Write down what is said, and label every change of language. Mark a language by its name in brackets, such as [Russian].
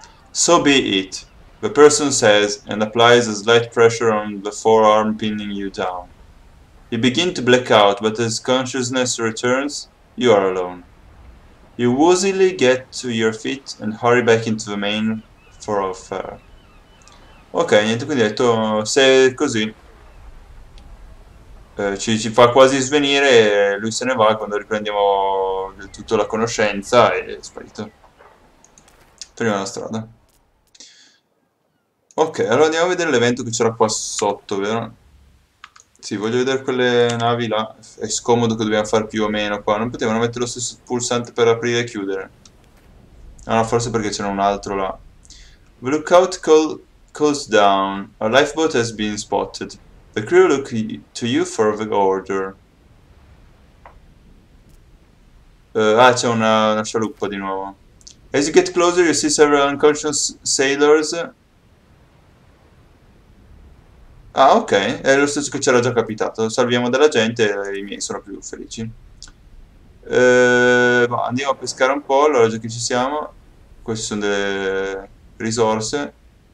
[English] So be it, the person says, and applies a slight pressure on the forearm, pinning you down. You begin to black out, but as consciousness returns, you are alone. You woozily get to your feet and hurry back into the main thoroughfare. [Italian] Ok, niente, quindi ha detto, se è così, ci fa quasi svenire, lui se ne va, quando riprendiamo del tutto la conoscenza, è sparito. Prima la strada. Ok, allora andiamo a vedere l'evento che c'era qua sotto, vero? Sì, voglio vedere quelle navi là. È scomodo che dobbiamo fare più o meno qua. Non potevano mettere lo stesso pulsante per aprire e chiudere. Ah, no, forse perché c'era un altro là. [English] Lookout calls down. A lifeboat has been spotted. The crew look to you for the order. [Italian] Ah, c'è una scialuppa di nuovo. [English] As you get closer, you see several unconscious sailors. [Italian] Ah, ok, è lo stesso che c'era già capitato. Salviamo della gente e i miei sono più felici. Andiamo a pescare un po', allora già che ci siamo. Queste sono delle risorse.